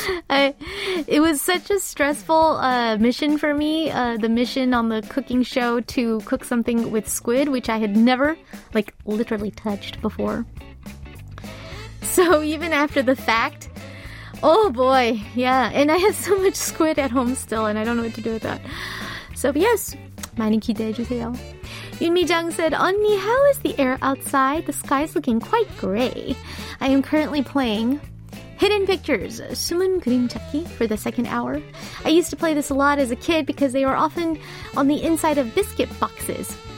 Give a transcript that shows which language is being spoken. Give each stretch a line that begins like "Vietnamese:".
English: It was such a stressful mission for me, the mission on the cooking show to cook something with squid, which I had never, like, literally touched before. So even after the fact, oh boy, yeah, and I have so much squid at home still, and I don't know what to do with that. So yes,
Korean: 많이 기대해 주세요.
English: Yunmi Jung said, 언니, how is the air outside? The sky's looking quite gray. I am currently playing Hidden Pictures, 숨은 그림 찾기, for the second hour. I used to play this a lot as a kid because they were often on the inside of biscuit boxes.